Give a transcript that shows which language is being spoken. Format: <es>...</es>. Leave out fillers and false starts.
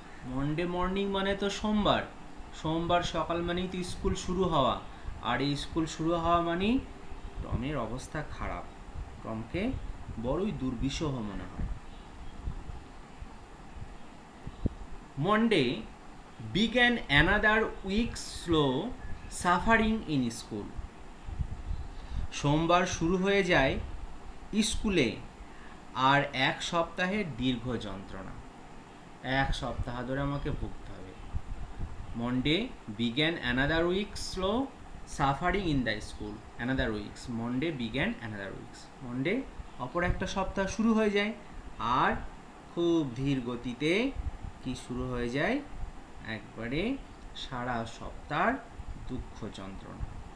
<bn>Monday morning মানে তো সোমবার, সোমবার সকাল মানেই তো স্কুল শুরু হওয়া, আর এই স্কুল শুরু হওয়া মানেই টমের অবস্থা খারাপ, টমকে বড়ই দুর্বিষহ মনে হয়। Monday</bn> <en>began another week slow suffering in school.</en> <bn>সোমবার শুরু হয়ে যায় স্কুলে আর এক সপ্তাহের দীর্ঘ যন্ত্রণা। এক সপ্তাহ ধরে আমাকে ভুগতে হবে।</bn> <en>Monday began another weeks slow suffering in the school. Another weeks, Monday began another weeks,</en> <bn>Monday অপর একটা সপ্তাহ শুরু হয়ে যায় আর খুব ধীর গতিতে কি শুরু হয়ে যায়, একবারে সারা সপ্তাহ দুঃখ যন্ত্রণা।</bn>